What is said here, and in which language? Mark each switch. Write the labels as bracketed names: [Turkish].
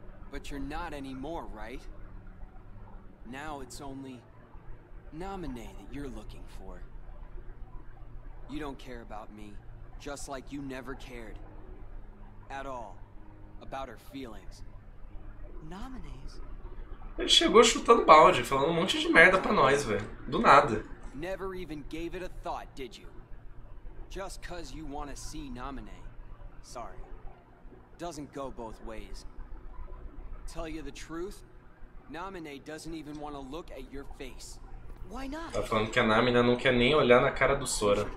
[English] But you're not anymore, right? Now it's only Naminé that you're looking for. You don't care about me, just like you never cared at all about her feelings. [Portuguese] Ele chegou chutando balde, falando um monte de merda pra nós, velho. Do nada. [English] Never even gave it a thought, did you? Just cause you wanna see Naminé. Sorry. Doesn't go both ways. Tell you the truth, Naminé doesn't even wanna look at your face. Why not? [Portuguese] Tá falando que a Naminé não quer nem olhar na cara do Sora.